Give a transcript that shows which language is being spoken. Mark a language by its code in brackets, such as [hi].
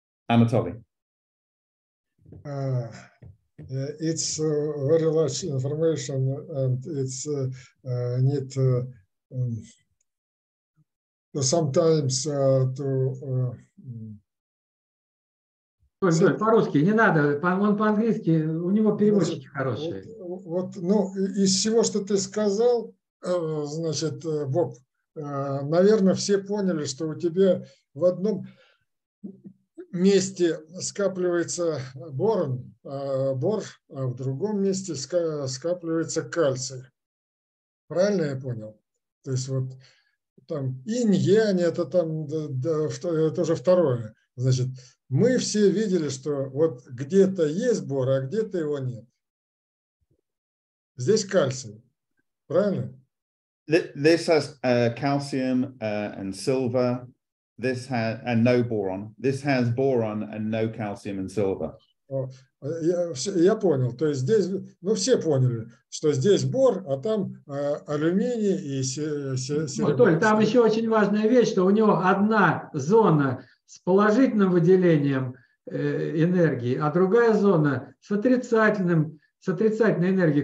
[en] Anatoly. It's very large information, and it's need sometimes to. [ru] По-русски не надо. Он по-английски, у него переводчики хорошие. Ну из всего, что ты сказал, значит, Боб, наверное, все поняли, что у тебя в одном месте скапливается борон, а в другом месте скапливается кальций. Правильно я понял? То есть вот там инь-янь, это там тоже второе. Значит, мы все видели, что вот где-то есть бор, а где-то его нет. Здесь кальций. Правильно? [en] This has calcium and silver. This has and no boron. This has boron and no calcium and silver. [ru] Я понял. То есть здесь, ну, все поняли, что здесь бор, а там алюминий и серебро. Толь, там еще очень важная вещь, что у него одна зона с положительным выделением энергии, а другая зона с отрицательным, с отрицательной энергией.